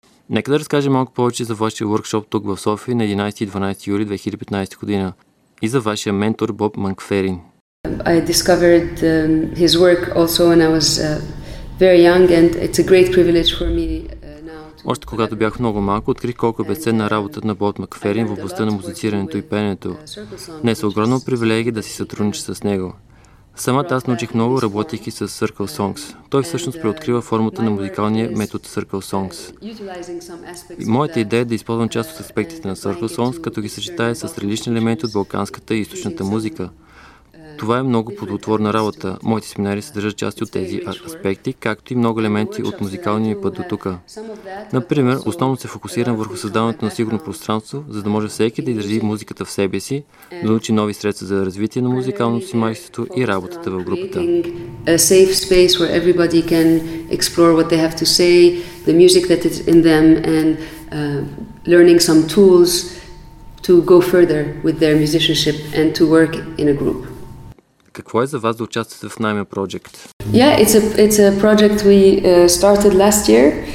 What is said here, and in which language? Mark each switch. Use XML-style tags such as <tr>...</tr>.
<bg>Нека да разкажем малко повече за вашия уркшоп тук в София на 11 и 12 юли 2015 година и за вашия ментор Боб Манкферин.</bg> <en>I discovered his work also when I was very young and it's a great privilege for me.</en> <bg>Още когато бях много малко, открих колко е безценна работата на Боб Манкферин в областта на музицирането и пеенето. Днес е огромна привилегия да си сътрудничи с него. Самата аз научих много, работейки с Circle Songs. Той всъщност преоткрива формата на музикалния метод Circle Songs. Моята идея е да използвам част от аспектите на Circle Songs, като ги съчетая с различни елементи от балканската и източната музика. Това е много плодотворна работа. Моите семинари съдържат части от тези аспекти, както и много елементи от музикалния ми път до тука. Например, основно се фокусирам върху създаването на сигурно пространство, за да може всеки да издържи музиката в себе си, да научи нови средства за развитие на музикалното си майсторство и работата в групата.</bg> <en>A safe space where everybody can explore what they have to say, the music that is in them and learning some tools to go further with their musicianship and to work in a group.</en> <bg>Какво е за вас да участвате в Naima Project?</bg> <en>Yeah, it's a project we started last year.</en>